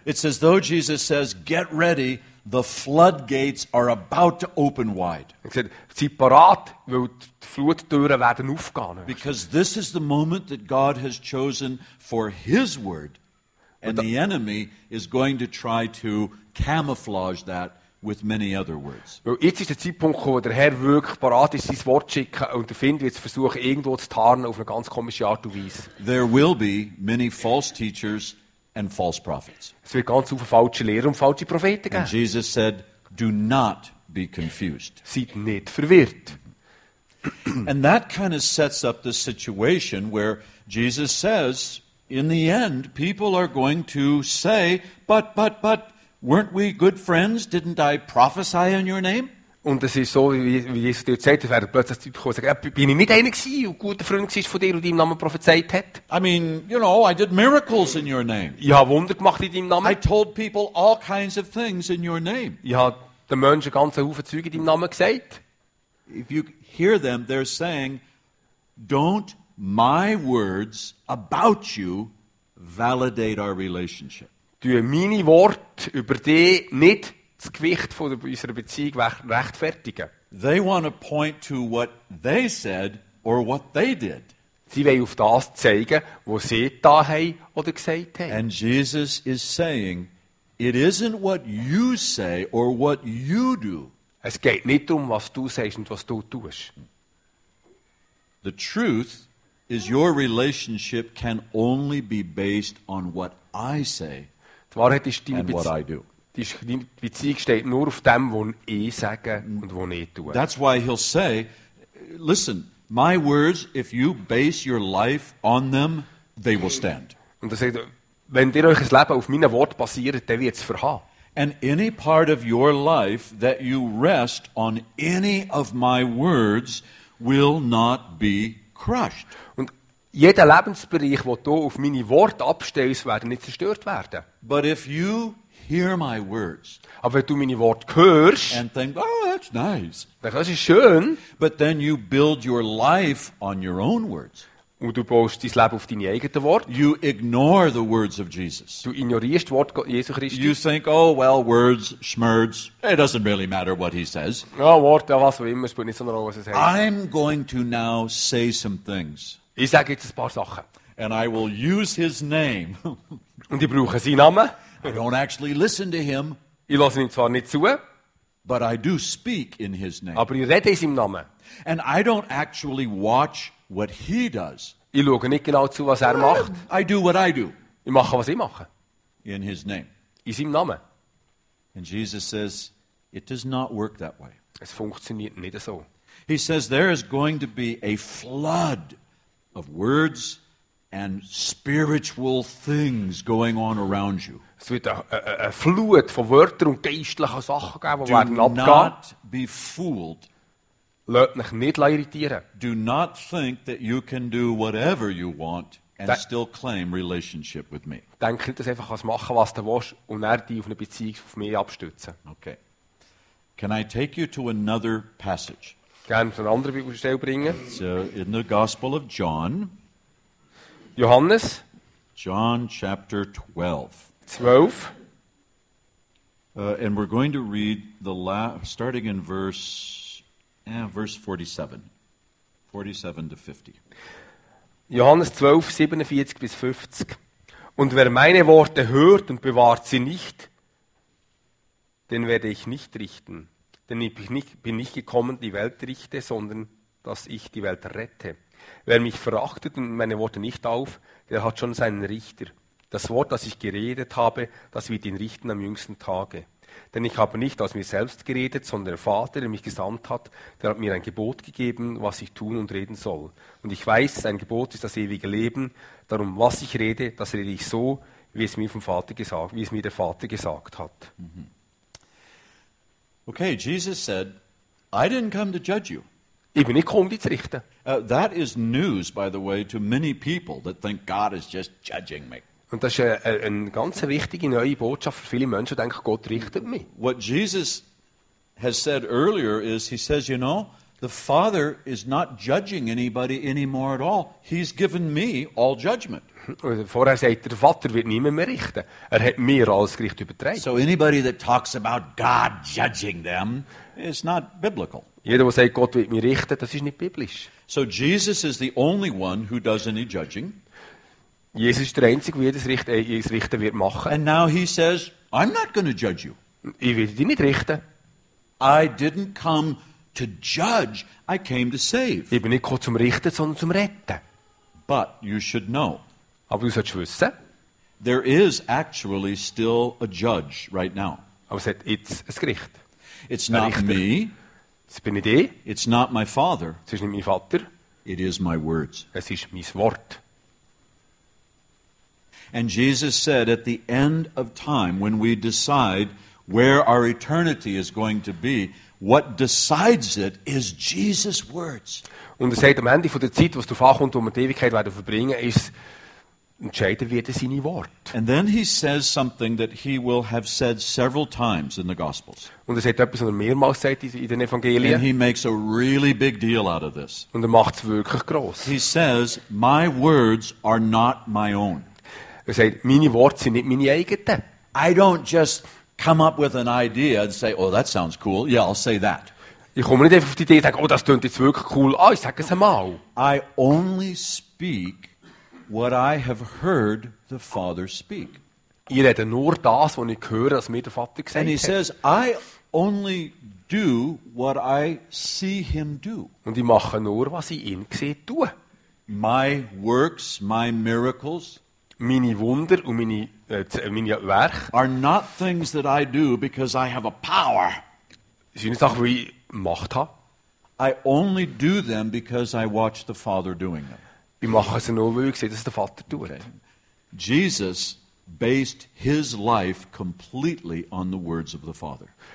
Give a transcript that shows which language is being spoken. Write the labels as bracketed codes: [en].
[en] It's as though Jesus says, get ready, the floodgates are about to open wide. [de] Er sagt, seid parat, weil die Fluttüren werden aufgehen. [en] Because this is the moment that God has chosen for his word. And the enemy is going to try to camouflage that with many other words. [de] Weil jetzt ist der Zeitpunkt gekommen, wo der Herr wirklich parat ist, sein Wort zu schicken und der Feind wird es versuchen, irgendwo zu tarnen auf eine ganz komische Art und Weise. [en] There will be many false teachers and false prophets. [de] Es wird ganz viele falsche Lehrer und falsche Propheten geben. [en] And Jesus said, do not be confused. [de] Seid nicht verwirrt. [en] And that kind of sets up the situation where Jesus says, in the end, people are going to say, but, weren't we good friends? Didn't I prophesy in your name? [de] Und es ist so, wie Jesus dir gesagt hat, plötzlich die Leute kommen und sagen, bin ich nicht einer gewesen, und guter Freund gewesen von dir, und deinem Namen prophezeit hat? [en] I mean, you know, I did miracles in your name. [de] Ich habe Wunder gemacht in deinem Namen. [en] I told people all kinds of things in your name. [de] Ich habe den Menschen ganze Haufen Zeug in deinem Namen gesagt. [en] If you hear them, they're saying, don't my words about you validate our relationship. [de] Du meine Worte über dich nicht das Gewicht von unserer Beziehung rechtfertigen. [en] They want to point to what they said or what they did. [de] Sie wollen auf das zeigen, was sie da haben oder gesagt haben. [en] And Jesus is saying, it isn't what you say or what you do. [de] Es geht nicht um was du sagst und was du tust. [en] The truth is your relationship can only be based on what I say and what I do. [de] Die Wahrheit ist, deine Beziehung steht nur auf dem, was ich sage und was ich tue. [en] That's why he'll say, listen, my words, if you base your life on them, they will stand. [de] Und er sagt, wenn ihr euch das Leben auf meinen Worten basiert, dann wird es verhauen. [en] And any part of your life that you rest on any of my words will not be crushed. [de] Und jeder Lebensbereich, wo du auf meine Worte abstellst, wird nicht zerstört werden. [en] But if you hear my words, [de] aber wenn du meine Worte hörst, [en] and think, oh, that's nice, [de] das ist schön, [en] but then you build your life on your own words. [de] Und du baust dein Leben auf deine eigenen Worte. [en] You ignore the words of Jesus. [de] Du ignorierst Wort Jesu Christi. [en] You think, oh well, words, schmerz, it doesn't really matter what he says. [de] Ja, Worte, was auch immer, es spielt nicht so eine Rolle, was er sagt. [en] I'm going to now say some things. [de] Ich sage jetzt ein paar Sachen. [en] And I will use his name. [de] Und ich brauche seinen Namen. [en] I don't actually listen to him. [de] Ich lasse ihm zwar nicht zu. [en] But I do speak in his name. [de] Aber ich rede in seinem Namen. [en] And I don't actually watch what he does. [de] Ich schaue nicht genau zu, was er macht. [en] I do what I do. [de] Ich mache, was ich mache. [en] In his name. [de] In seinem Namen. [en] And Jesus says, it does not work that way. [de] Es funktioniert nicht so. [en] He says, there is going to be a flood of words and spiritual things going on around you. [de] Es wird eine Flut von Wörtern und geistlichen Sachen geben, die werden abgehen. [en] Do not be fooled. [de] Lass mich nicht irritieren. [en] Do not think that you can do whatever you want and still claim relationship with me. [de] Denk nicht, dass du einfach machen kannst, was du willst, und er dich auf eine Beziehung auf mich abstützen. [en] Okay. Can I take you to another passage? [de] Gerne zu einer anderen Bibelstelle bringen. [en] So, in the Gospel of John. [de] Johannes. [en] John chapter 12. [de] 12. [en] And we're going to read the starting in verse 47 to 50. [de] Johannes 12, 47 bis 50. Und wer meine Worte hört und bewahrt sie nicht, den werde ich nicht richten. Denn ich bin nicht gekommen, die Welt richte, sondern dass ich die Welt rette. Wer mich verachtet und meine Worte nicht auf, der hat schon seinen Richter. Das Wort, das ich geredet habe, das wird ihn richten am jüngsten Tage. Denn ich habe nicht aus mir selbst geredet, sondern der Vater, der mich gesandt hat, der hat mir ein Gebot gegeben, was ich tun und reden soll. Und ich weiß, sein Gebot ist das ewige Leben. Darum, was ich rede, das rede ich so, wie es mir der Vater gesagt hat. [en] Okay, Jesus said, I didn't come to judge you. [de] Ich bin nicht gekommen, dich zu richten. [en] That is news, by the way, to many people that think God is just judging me. [de] Und das ist eine ganz wichtige neue Botschaft für viele Menschen, die denken, Gott richtet mich. [en] What Jesus has said earlier is, he says, you know, the Father is not judging anybody anymore at all. He's given me all judgment. [de] Vorher sagt er, der Vater wird niemand mehr richten. Er hat mir alles Gericht übertragen. [en] So anybody that talks about God judging them is not biblical. [de] Jeder, der sagt, Gott wird mich richten, das ist nicht biblisch. [en] So Jesus is the only one who does any judging. [de] Jesus ist der Einzige, der das Richten wird machen. [en] And now he says, I'm not going to judge you. [de] Ich werde dich nicht richten. [en] I didn't come to judge, I came to save. [de] Ich bin nicht gekommen zum Richten, sondern zum Retten. [en] But you should know. [de] Aber du solltest wissen. [en] There is actually still a judge right now. [de] Aber es hat jetzt ein Gericht. [en] It's not me. [de] Es bin nicht ich. [en] It's not my Father. [de] Es ist nicht mein Vater. [en] It is my words. [de] Es ist mein Wort. [en] And Jesus said, at the end of time, when we decide where our eternity is going to be, what decides it is Jesus' words. [de] Und er sagt, am Ende von der Zeit, was darauf ankommt, wo wir die Ewigkeit werden verbringen, ist, entscheiden wird seine Worte. [en] And then he says something that he will have said several times in the Gospels. [de] Und er sagt etwas, was er mehrmals sagt in den Evangelien. [en] And he makes a really big deal out of this. [de] Und er macht es wirklich gross. [en] He says, my words are not my own. [de] Er sagt, meine Worte sind nicht meine eigenen. [en] I don't just come up with an idea and say, oh, that sounds cool. Yeah, I'll say that. [de] Ich komme nicht einfach auf die Idee und sage, oh, das klingt jetzt wirklich cool. Ah, ich sage es einmal. [en] I only speak what I have heard the Father speak. [de] Ich rede nur das, was ich höre, was mir der Vater gesagt hat. [en] And he says, I only do what I see him do. [de] Und ich mache nur, was ich ihn sehe tue. [en] My works, my miracles, [de] meine Wunder und meine Werke [en] are not things that I do because I have a power. [de] Sind nicht Sachen, wo ich Macht habe. [en] I only do them because I watch the Father doing them. [de] Ich mache sie nur, weil ich sehe, dass der Vater tut. [en] Okay. Jesus based his life completely on the words of the Father.